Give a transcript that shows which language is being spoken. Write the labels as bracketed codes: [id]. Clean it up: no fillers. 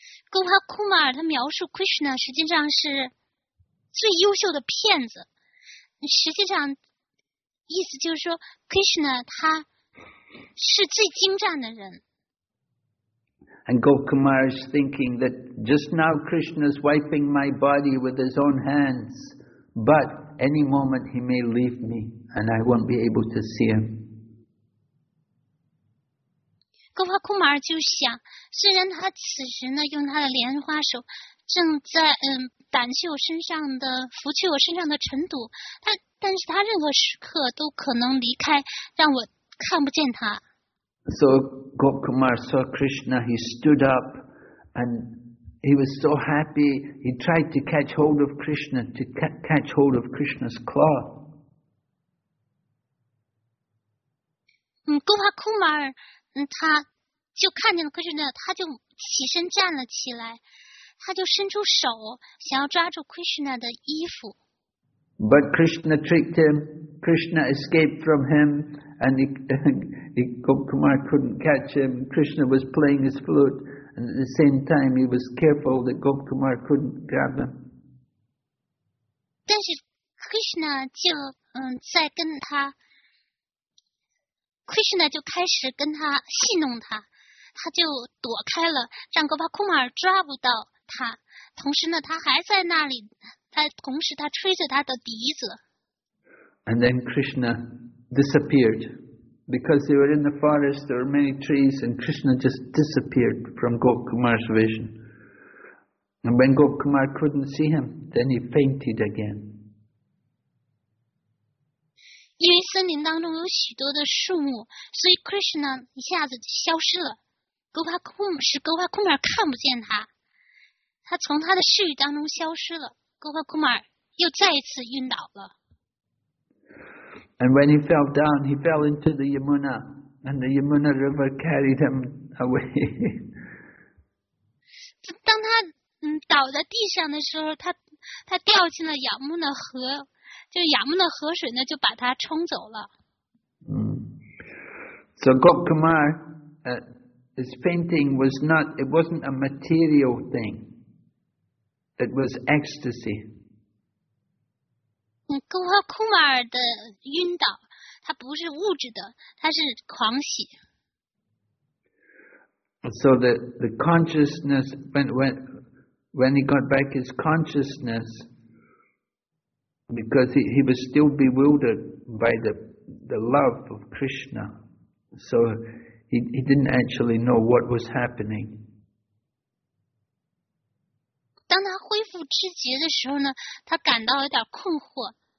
[zh] 勾巴库马尔他描述 Krishna 实际上是最优秀的骗子，实际上意思就是说 Krishna 他是最精湛的人。 [en] And Gop Kumar is thinking that just now Krishna is wiping my body with his own hands, but any moment he may leave me and I won't be able to see him. 勾巴库马尔就想，虽然他此时呢用他的莲花手正在掸去我身上的拂去我身上的尘土，但是他任何时刻都可能离开，让我看不见他。 So Gop Kumar saw Krishna. He stood up, and he was so happy. He tried to catch hold of Krishna, to catch hold of Krishna's claw. [zh] 勾巴库马尔。他就看见了Krishna，他就起身站了起来，他就伸出手想要抓住Krishna的衣服。 [en] But Krishna tricked him. Krishna escaped from him and Gopkumar couldn't catch him. Krishna was playing his flute and at the same time he was careful that Gopkumar couldn't grab him. [zh] 但是 Krishna 就在跟他 Krishna 就开始跟他戏弄他，他就躲开了，让 Gopkumar 抓不到他。同时呢，他还在那里，他同时他吹着他的笛子。 [en] And then Krishna disappeared because they were in the forest. There were many trees, and Krishna just disappeared from Gopkumar's vision. And when Gopkumar couldn't see him, then he fainted again. [zh] 因为森林当中有许多的树木，所以 Krishna 一下子就消失了。 Gopkumar 看不见他，他从他的视域当中消失了。 Gopkumar 又再一次晕倒了。 [en] And when he fell down, he fell into the Yamuna, and the Yamuna river carried him away. [zh] 当他倒在地上的时候，他掉进了雅穆纳河，就雅穆纳河水呢就把他冲走了。 [en] So Gopkumar, his fainting was not, it wasn't a material thing. It was ecstasy. [zh] Gopkumar 的晕倒，它不是物质的，它是狂喜。 [en] So the consciousness when he got back his consciousness, because he was still bewildered by the love of Krishna, so he didn't actually know what was happening. [zh] 当他恢复知觉的时候呢，他感到有点困惑。